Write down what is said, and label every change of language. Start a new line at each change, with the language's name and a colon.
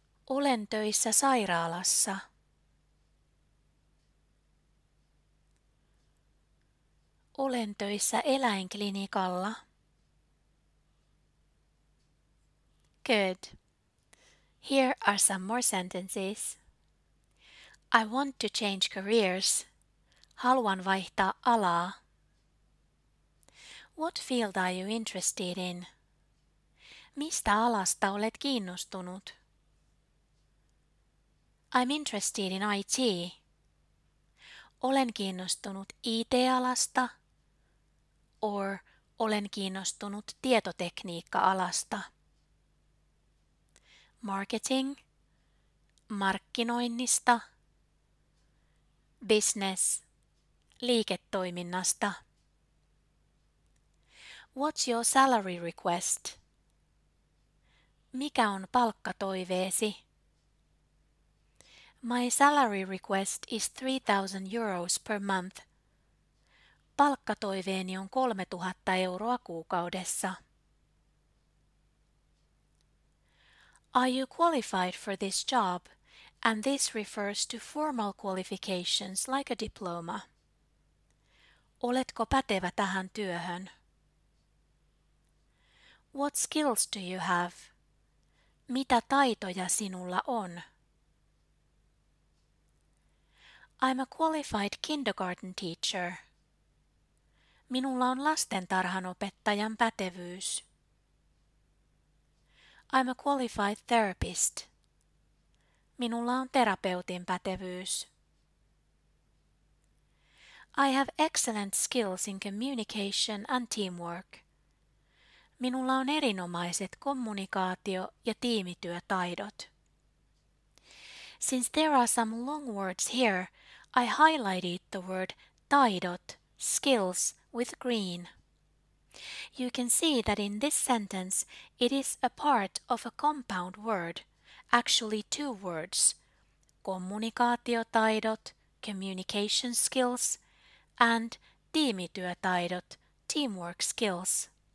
Finnish: Olen töissä sairaalassa. Olen töissä eläinklinikalla.
English: Good. Here are some more sentences. I want to change careers.
Finnish: Haluan vaihtaa alaa.
English: What field are you interested in?
Finnish: Mistä alasta olet kiinnostunut?
English: I'm interested in IT.
Finnish: Olen kiinnostunut IT-alasta. Or olen kiinnostunut tietotekniikka-alasta.
English: Marketing.
Finnish: Markkinoinnista.
English: Business.
Finnish: Liiketoiminnasta.
English: What's your salary request?
Finnish: Mikä on palkkatoiveesi?
English: My salary request is 3,000 euros per month.
Finnish: Palkkatoiveeni on 3,000 euroa kuukaudessa.
English: Are you qualified for this job? And this refers to formal qualifications like a diploma.
Finnish: Oletko pätevä tähän työhön?
English: What skills do you have?
Finnish: Mitä taitoja sinulla on?
English: I'm a qualified kindergarten teacher.
Finnish: Minulla on lastentarhanopettajan pätevyys.
English: I'm a qualified therapist.
Finnish: Minulla on terapeutin pätevyys.
English: I have excellent skills in communication and teamwork.
Finnish: Minulla on erinomaiset kommunikaatio- ja tiimityötaidot.
English: Since there are some long words here, I highlighted the word taidot, skills, with green. You can see that in this sentence it is a part of a compound word, actually two words, kommunikaatiotaidot, communication skills, and tiimityötaidot, teamwork skills.